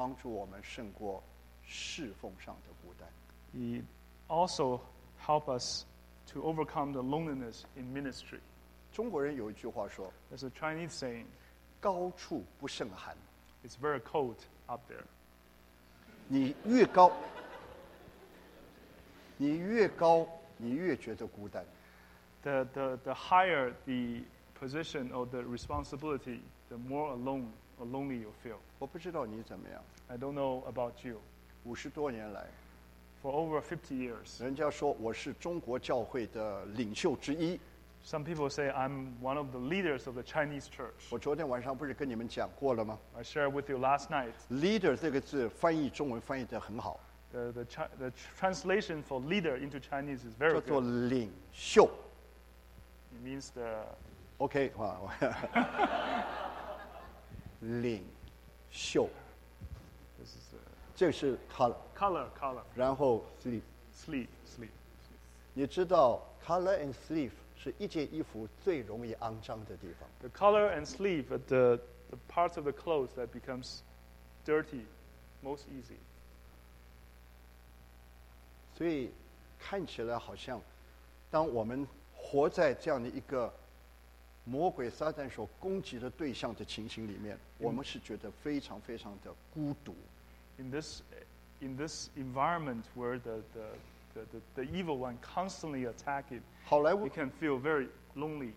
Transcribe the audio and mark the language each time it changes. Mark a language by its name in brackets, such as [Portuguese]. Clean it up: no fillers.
[Chinese] 他也帮助我们胜过侍奉上的孤单。 [English] He also helps us to overcome the loneliness in ministry. [Chinese] 中国人有一句话说, [English] there's a Chinese saying, [Chinese] 高处不胜寒。 [English] It's very cold up there. [Chinese] 你越高, 你越高, 你越觉得孤单。 [English] The higher the position or the responsibility, the more alone or lonely you feel. [Chinese] 我不知道你怎么样。 [English] I don't know about you. [Chinese] 50多年来, [English] for over 50 years, [Chinese] 人家说我是中国教会的领袖之一。 [English] Some people say I'm one of the leaders of the Chinese church. [Chinese] 我昨天晚上不是跟你们讲过了吗? [English] I shared with you last night. [Chinese] Leader这个字翻译中文翻译得很好。 [English] The translation for leader into Chinese is very good. [Chinese] 叫做领袖。 [English] It means the... Okay. Wow. [Chinese] 领袖, [English] this is a [Chinese] 这是 color, [English] color, color. [Chinese] 然后 [English] sleeve. [Chinese] 你知道 [English] color and sleeve [Chinese] 是一件衣服最容易肮脏的地方。 [English] The color and sleeve, the parts of the clothes that becomes dirty most easy. [Chinese] 所以看起来好像，当我们活在这样的一个 魔鬼撒旦所攻击的对象的情形里面, 我们是觉得非常非常的孤独。 [English] In this environment where the the evil one constantly attacking, you can feel very lonely.